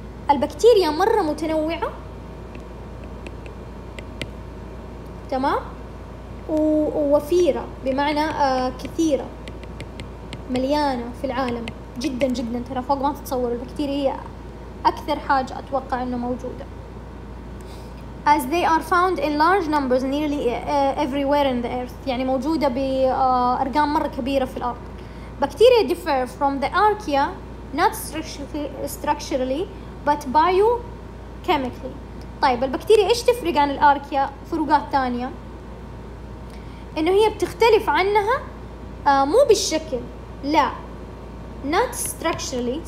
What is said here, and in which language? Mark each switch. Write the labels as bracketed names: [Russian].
[Arabic] البكتيريا مرة متنوعة، تمام؟ ووفيرة بمعنى كثيرة، مليانة في العالم جدا جدا، ترى فوق ما تتصور. البكتيريا هي أكثر حاجة أتوقع أنه موجودة. [English] As they are found in large numbers nearly everywhere in the earth. [Arabic] يعني موجودة بأرقام مرة كبيرة في الأرض. [English] Bacteria differ from the archaea not structurally but biochemically. [Arabic] طيب البكتيريا إيش تفرق عن الأركيا فروقات تانية؟ إنه هي بتختلف عنها مو بالشكل، لا [English] not structurally.